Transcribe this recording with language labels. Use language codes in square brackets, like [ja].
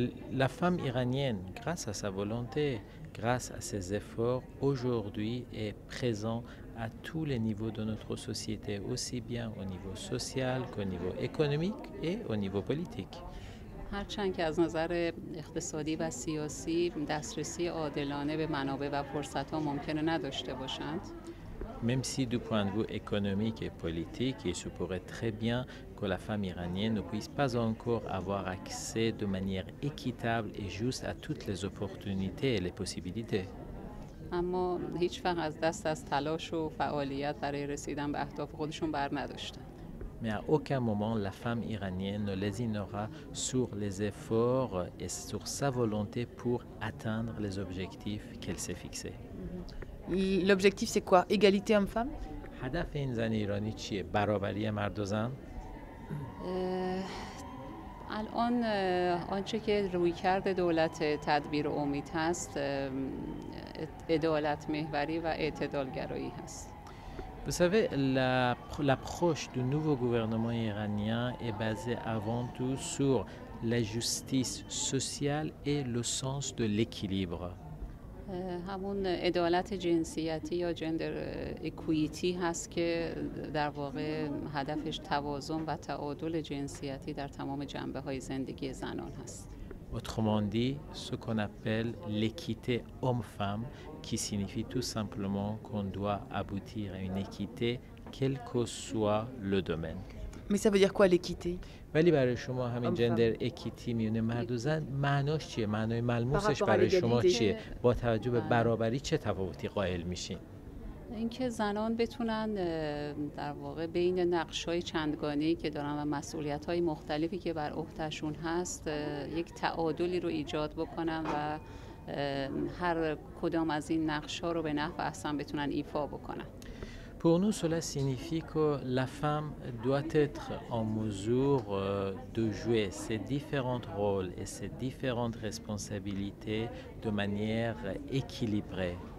[fr] La femme iranienne, grâce à sa volonté, grâce à ses efforts, aujourd'hui est présente à tous les niveaux de notre société, aussi bien au niveau social qu'au niveau économique et au niveau politique. [fa] هرچند که از نظر اقتصادی و سیاسی دسترسی عادلانه به منابع و فرصت‌ها ممکن نداشته باشند. [fr] Même si du point de vue économique et politique, il se pourrait très bien que la femme iranienne ne puisse pas encore avoir accès de manière équitable et juste à toutes les opportunités et les possibilités. [fa] اما هیچ فرق از دست از تلاش و فعالیت برای رسیدن به اهداف خودشون بر نداشتن. [fr] Mais à aucun moment la femme iranienne ne lésinera sur les efforts et sur sa volonté pour atteindre les objectifs qu'elle s'est fixés. L'objectif c'est quoi? Égalité homme-femme? [fa] هدف این زن ایرانی چیه؟ برابری مرد و زن؟ الان آنچه که رویکرد دولت تدبیر امید هست عدالت محوری و اعتدال گرایی هست. [fr] Vous savez, l'approche du nouveau gouvernement iranien est basée avant tout sur la justice sociale et le sens de l'équilibre. [fa] همون عدالت جنسیتی یا جندر اکویتی هست که در واقع هدفش توازن و تعادل جنسیتی در تمام جنبه های زندگی زنان هست. [fr] Autrement dit, ce qu'on appelle l'équité homme-femme, qui signifie tout simplement qu'on doit aboutir à une équité, quel que soit le domaine. Mais ça veut dire quoi l'équité? [fa] ولی برای شما همین جندر اکیتی میونه مرد و زن معناش چیه؟ معنای ملموسش برای شما چیه؟ با توجه به برابری چه تفاوتی قائل میشین؟ اینکه زنان بتونن در واقع بین نقش‌های چندگانه‌ای که دارن و مسئولیت‌های مختلفی که بر عهده‌شون هست یک تعادلی رو ایجاد بکنن و هر کدام از این نقش‌ها رو به نحو احسن بتونن ایفا بکنن. [fr] Pour nous, cela signifie que la femme doit être en mesure de jouer ses différents rôles et ses différentes responsabilités de manière équilibrée.